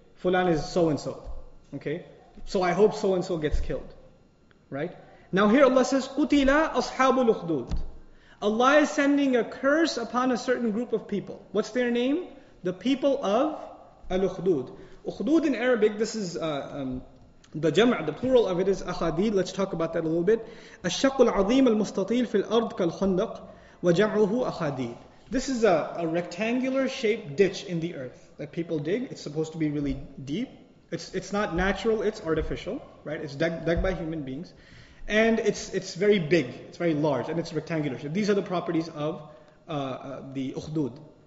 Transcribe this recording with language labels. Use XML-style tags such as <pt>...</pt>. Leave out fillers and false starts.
<en>Fulan is so-and-so. Okay? So I hope so-and-so gets killed. Right? Now here Allah says,</en> <ar>قُتِلَ أَصْحَابُ الْأُخْدُودِ.</ar> <en>Allah is sending a curse upon a certain group of people. What's their name? The people of Al-Ukhdud. Ukhdud in Arabic, this is the jam'a, the plural of it is أَخَادِيدِ. Let's talk about that a little bit.</en> <ar>الشَّقُ الْعَظِيمُ الْمُسْتَطِيلُ فِي الْأَرْضِ كَالْخُنْدَقِ وَجَعُهُ أَخَادِيدِ.</ar> <en>This is a rectangular shaped ditch in the earth that people dig. It's supposed to be really deep. It's not natural, it's artificial, right? It's dug by human beings. And it's very big, it's very large, and it's rectangular. So these are the properties of the Ukhdud.</en>